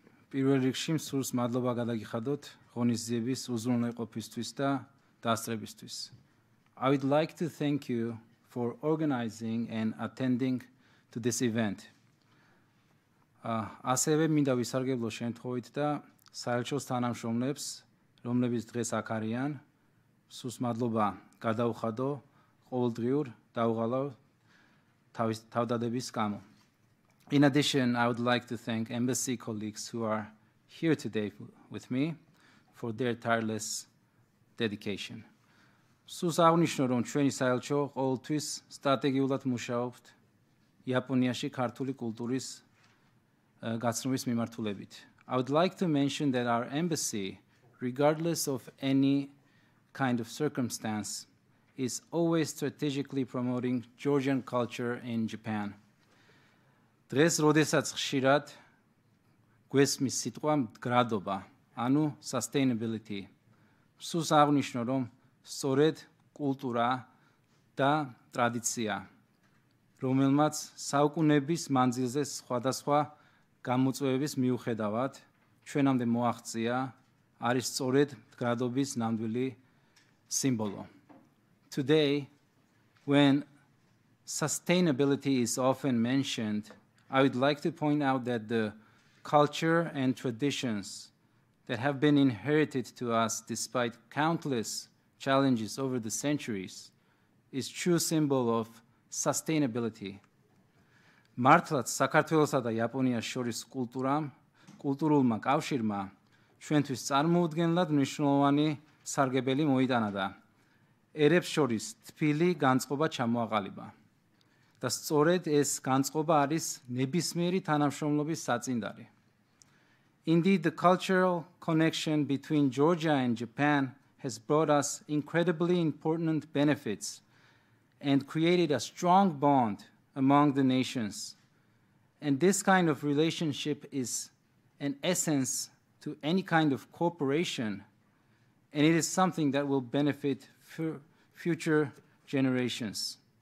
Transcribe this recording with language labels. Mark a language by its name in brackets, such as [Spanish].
[Georgian] პირველ რიგში სრულს მადლობა გადაგიხადოთ ღონისძიების უზრუნველყოფისთვის და დასწრებისთვის. [English] I would like to thank you for organizing and attending to this event. [Georgian] ასევე მინდა ვისარგებლო შემთხვევით და საელჩოს თანამშრომლებს, რომლებიც დღეს აქ არიან, სრულს მადლობა გადაუხადო ყოველდღიურ დაუღალავ თავდადების გამო. [English] In addition, I would like to thank embassy colleagues who are here today with me for their tireless dedication. [Georgian] სულ აღნიშნო, რომ ჩვენი საელჩო ყოველთვის სტრატეგიულად მუშაობთ იაპონიაში ქართული კულტურის გაცნობის მიმართულებით. [English] I would like to mention that our embassy, regardless of any kind of circumstance, is always strategically promoting Georgian culture in Japan. [Georgian] დღეს როდესაც ხშირად გვესმის სიტყვა მდგრადობა, ანუ sustainability, სულს აღნიშნო, რომ სწორედ კულტურა და ტრადიცია, რომელმაც საუკუნეების მანძილზე სხვადასხვა გამოწვევების მიუხედავად ჩვენამდე მოაღწია, არის სწორედ მდგრადობის ნამდვილი სიმბოლო. [English] Today, when sustainability is often mentioned, I would like to point out that the culture and traditions that have been inherited to us despite countless challenges over the centuries is a true symbol of sustainability. [Georgian] მართლაც საქართველოსა და იაპონიას შორის კულტურულმა კავშირმა ჩვენთვის წარმოუდგენლად მნიშვნელოვანი სარგებელი მოიტანა და ერებს შორის თბილი განწყობა ჩამოაყალიბა. და სწორედ ეს განწყობა არის ნებისმიერი თანამშრომლობის საწინდარი. [English] Indeed, the cultural connection between Georgia and Japan has brought us incredibly important benefits and created a strong bond among the nations. And this kind of relationship is an essence to any kind of cooperation, and it is something that will benefit future generations.